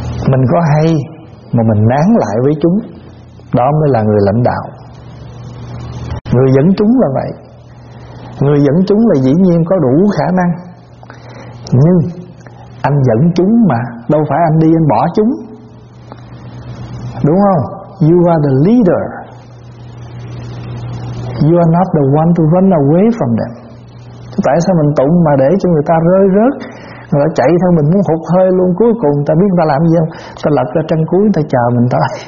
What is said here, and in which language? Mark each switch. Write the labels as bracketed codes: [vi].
[vi] Mình có hay mà mình nán lại với chúng, đó mới là người lãnh đạo. Người dẫn chúng là vậy, người dẫn chúng là dĩ nhiên có đủ khả năng, nhưng anh dẫn chúng mà, đâu phải anh đi anh bỏ chúng, đúng không? [en] You are the leader, you are not the one to run away from them. [vi] Tại sao mình tụng mà để cho người ta rơi rớt, người ta chạy theo mình muốn hụt hơi luôn, cuối cùng ta biết người ta làm gì không? Ta lật ra trăng cuối, ta chờ mình tới.